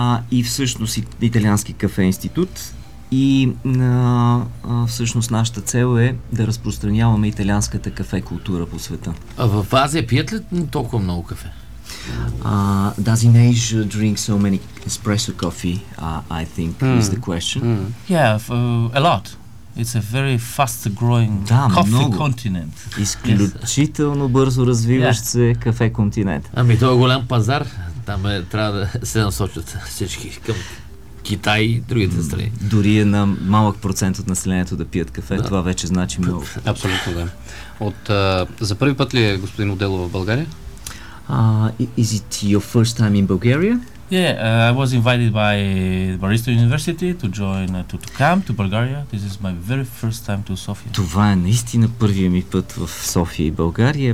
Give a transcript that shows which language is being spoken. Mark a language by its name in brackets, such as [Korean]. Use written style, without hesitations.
[Bulgarian] И всъщност Италиански кафе институт. И всъщност нашата цел е да разпространяваме италианската кафе култура по света. А в Азия пият ли толкова много кафе? [English] Does in Asia drink so many espresso coffee, I think is the question. Yeah, a lot. It's a very fast growing coffee continent. [Bulgarian] Изключително бързо развиващ се кафе континент. Ами то е голям пазар. Там трябва да се насочат всички към Китай и другите страни. Дори на малък процент от населението да пият кафе, да. Това вече значи много. Абсолютно да. За първи път ли е господин Одело в България? [English] Is it your first time in Bulgaria? Yeah, I was invited by Bariste University to join, to come to Bulgaria. This is my very first time to Sofia. [Bulgarian] Това е наистина първият ми път в София и България.